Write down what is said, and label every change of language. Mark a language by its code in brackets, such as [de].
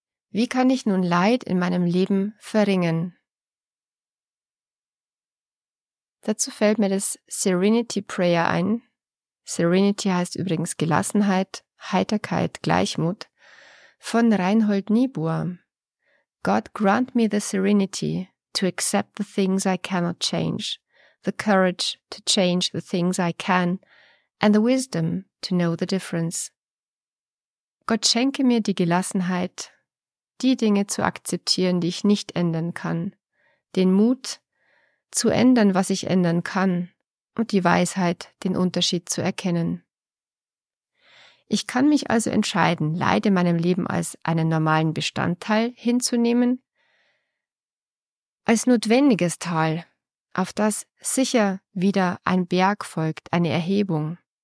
[de] Wie kann ich nun Leid in meinem Leben verringern? Dazu fällt mir das Serenity Prayer ein. Serenity heißt übrigens Gelassenheit, Heiterkeit, Gleichmut, von Reinhold Niebuhr. [en] God grant me the serenity to accept the things I cannot change, the courage to change the things I can, and the wisdom to know the difference. [de] Gott schenke mir die Gelassenheit, die Dinge zu akzeptieren, die ich nicht ändern kann, den Mut, zu ändern, was ich ändern kann, und die Weisheit, den Unterschied zu erkennen. Ich kann mich also entscheiden, Leid in meinem Leben als einen normalen Bestandteil hinzunehmen, als notwendiges Tal, auf das sicher wieder ein Berg folgt, eine Erhebung.